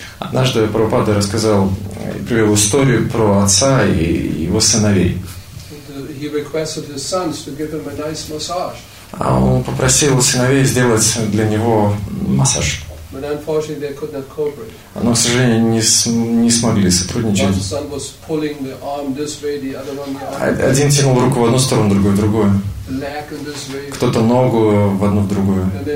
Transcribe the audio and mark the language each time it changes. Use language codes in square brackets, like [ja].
[ru] Однажды Прабхупада рассказал, привел историю про отца и его сыновей. [en] He requested his sons to give him a nice massage. [ru] А он попросил сыновей сделать для него массаж. [en] But unfortunately they could not cooperate. [ru] Но, к сожалению, не смогли сотрудничать. [en] One son was pulling the arm this way, the other one the arm. [ru] Один тянул руку в одну сторону, другой в другую. Кто-то ногу в одну в другую.